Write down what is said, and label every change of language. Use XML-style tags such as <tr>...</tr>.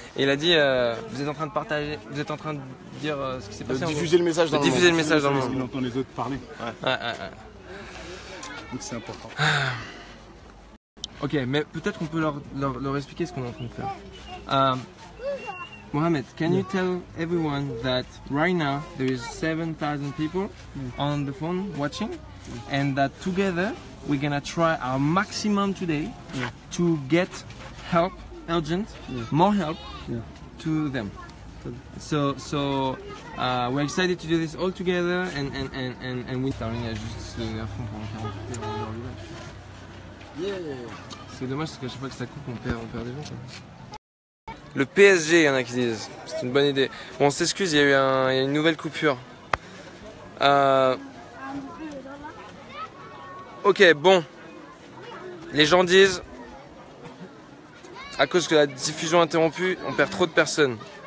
<fr>Et il a dit vous êtes en train de dire ce qui s'est passé. De diffuser le message dans le monde. Il entend les autres parler. Ouais. Donc, c'est important. Ok, mais peut-être qu'on peut leur expliquer ce qu'on est en train de faire.</fr> <en>Mohamed, can you tell everyone that right now there is 7,000 people on the phone watching and that together we're gonna try our maximum today to get help, urgent, more help to them. So we're excited to do this all together and we're starting just to do their phone call.</en> <fr>C'est dommage parce que chaque fois que ça coupe, on perd des gens. Le PSG, il y en a qui disent. C'est une bonne idée. Bon, on s'excuse, il y a eu une nouvelle coupure. Ok, bon. Les gens disent, à cause que la diffusion est interrompue, on perd trop de personnes.</fr>